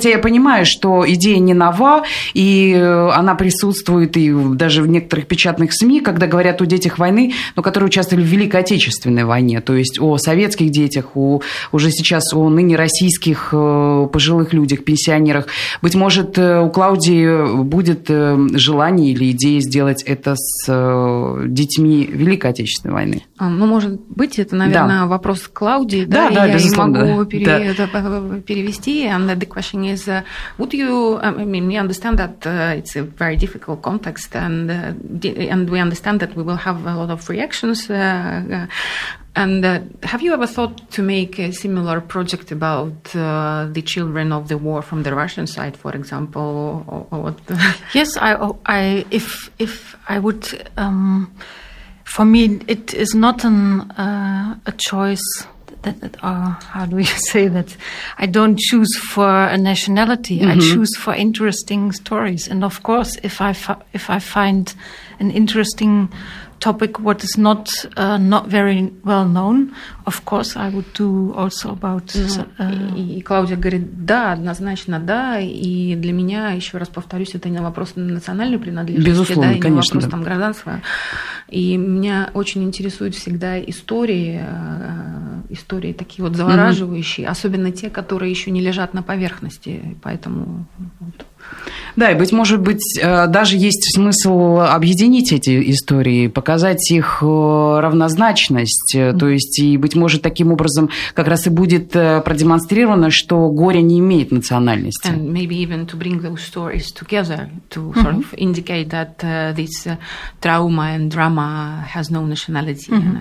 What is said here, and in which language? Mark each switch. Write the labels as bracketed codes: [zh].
[ru] Хотя я понимаю, что идея не нова, и она присутствует и даже в некоторых печатных СМИ, когда говорят о детях войны, но которые участвовали в Великой Отечественной войне, то есть о советских детях, о, уже сейчас о ныне российских пожилых людях, пенсионерах. Быть может, у Клаудии будет желание или идея сделать это с детьми Великой Отечественной войны? Ну, может быть, это, наверное, да, вопрос Клаудии, да, да, да, я безусловно, могу, да, перевести. [en] And the question is, would you, I mean, we understand that it's a very difficult context, and we understand that we will have a lot of reactions. And have you ever thought to make a similar project about the children of the war from the Russian side, for example? Or what? Yes, I would... For me, it is not a choice that how do you say that? I don't choose for a nationality. Mm-hmm. I choose for interesting stories. And of course, if I find an interesting topic, what is not not very well known, of course, I would do also about... [ru] И Клаудия говорит, да, однозначно, да, и для меня, еще раз повторюсь, это не вопрос национальной принадлежности. Безусловно, да, и конечно. И не вопрос там гражданства. И меня очень интересуют всегда истории такие вот завораживающие, особенно те, которые еще не лежат на поверхности, поэтому... Вот. Да, и, быть может быть, даже есть смысл объединить эти истории, показать их равнозначность, то есть, и, быть может, таким образом как раз и будет продемонстрировано, что горе не имеет национальности. [en] And maybe even to bring those stories together, to sort of indicate that this trauma and drama has no nationality.